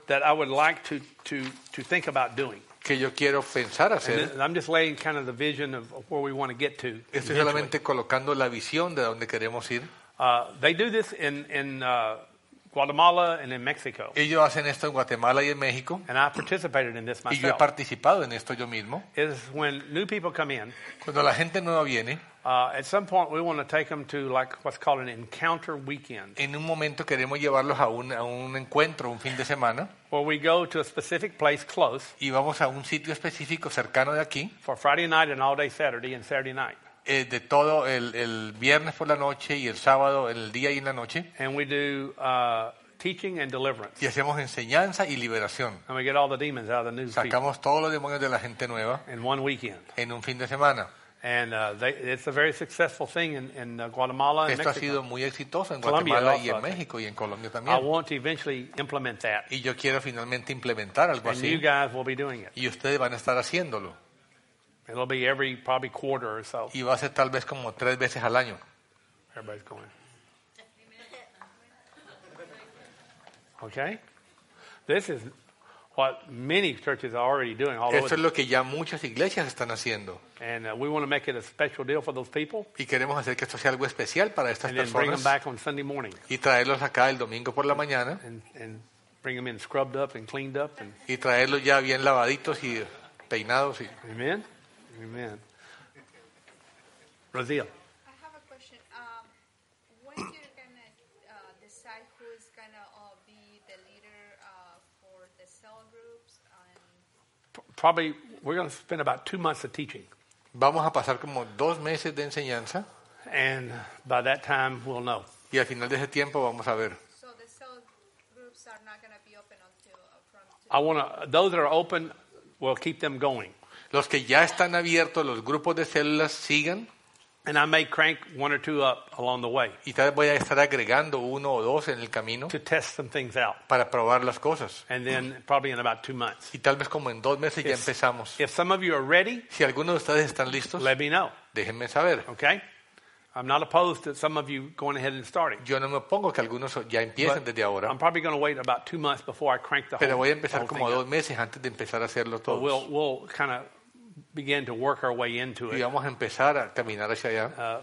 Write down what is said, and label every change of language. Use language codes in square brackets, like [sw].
[en] That I would like to think about doing. [es] Que yo quiero pensar hacer. [en] I'm just laying kind of the vision of where we want to get to. [es] Estoy solamente colocando la visión de dónde queremos ir. [en] They do this in Guatemala and in Mexico. [es] Ellos hacen esto en Guatemala y en México. [en] And I participated in this myself. [es] Y yo he participado en esto yo mismo. [en] Is when new people come in. [es] Cuando la gente nueva viene. [en] At some point we want to take them to like what's called an encounter weekend. [es] En un momento queremos llevarlos a un encuentro, un fin de semana. [en] Where we go to a specific place close. [es] Y vamos a un sitio específico cercano de aquí. [en] For Friday night and all day Saturday and Saturday night. [es] De todo el viernes por la noche y el sábado el día y en la noche. [en] And we do teaching and deliverance. [es] Y hacemos enseñanza y liberación. [en] And we get all the demons out of the new people. [es] Sacamos todos los demonios de la gente nueva. [en] In one weekend. [es] En un fin de semana. [en] And it's a very successful thing in Guatemala and [es] esto [en] Mexico. [es] Ha sido muy exitoso en Guatemala Colombia, y en México y en Colombia también. [en] I want to eventually implement that. [es] Y yo quiero finalmente implementar algo [en] and [es] así. [en] You guys will be doing it. [es] Y ustedes van a estar haciéndolo. [en] It'll be every probably quarter or so. [es] Y va a ser tal vez como 3 veces al año. [en] Everybody's going. Okay. This is what many churches are already doing all [es] esto [en] over. [es] Esto es lo que ya muchas iglesias están haciendo. [en] And we want to make it a special deal for those people. [es] Y queremos hacer que esto sea algo especial para estas personas. [en] And bring them back on Sunday morning. [es] Y traerlos acá el domingo por la mañana. [en] And bring them in scrubbed up and cleaned up. And [es] y traerlos ya bien lavaditos y peinados. Y amen. Amen. Raziel. [en] I have a question. When you gonna decide who is gonna be the leader for the cell groups? Probably we're gonna spend about 2 months of teaching. [es] Vamos a pasar como 2 meses de enseñanza. [en] And by that time we'll know. [es] Y al final de ese tiempo vamos a ver. [en] So the cell groups are not going to be open until from today. Those that are open, we'll keep them going. [es] Los que ya están abiertos, los grupos de células sigan. [en] And I may crank one or two up along the way. [es] Y tal vez voy a estar agregando uno o dos en el camino. [en] To test some things out. [es] Para probar las cosas. [en] And then probably in about 2 months. [es] Y tal vez como en 2 meses ya empezamos. [en] If some of you are ready. [es] Si algunos de ustedes están listos. [en] Let me know. [es] Déjenme saber. [en] Okay. I'm not opposed to some of you going ahead and starting. [es] Yo no me opongo que algunos ya empiecen [en] but [es] desde ahora. [en] I'm probably going to wait about 2 months before I crank the [es] pero [en] whole [es] voy a empezar como 2 meses antes de empezar a hacerlo todos. [en] We'll kind of begin to work our way into it. [es] Y vamos a empezar a caminar hacia allá.